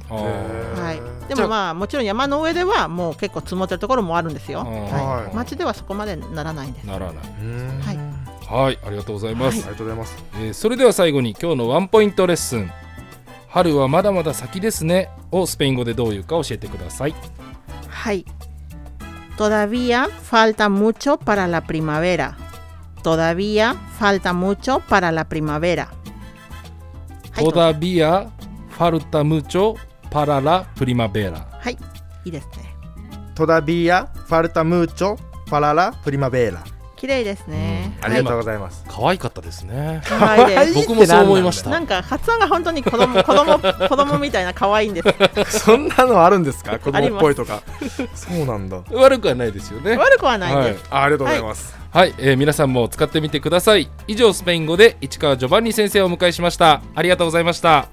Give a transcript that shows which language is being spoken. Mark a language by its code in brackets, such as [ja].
[ja] はい、でもまあもちろん山の上ではもう結構積もってるところもあるんですよ。はい、町ではそこまでならないんです。ならない。はい、ありがとうございます。ありがとうございます。それでは最後に今日のワンポイントレッスン、春はまだまだ先ですねをスペイン語でどういうか教えてください。はい、 [es] todavía falta mucho para la primavera. Todavía falta mucho para la primavera. Todavía falta mucho para la primavera. [ja] はい、いいですね。 [es] Todavía falta mucho para la primavera. [ja] 綺麗ですね、うん。ありがとうございます。可愛かったですね。可愛いです。僕もそう思いました。なんか発音が本当に子供みたいな、可愛いんです。そんなのあるんですか、子供っぽいとか。そうなんだ。悪くはないですよね。悪くはないです。はい、ありがとうございます。はいはい、皆さんも使ってみてください。以上、スペイン語で市川ジョバンニ先生をお迎えしました。ありがとうございました。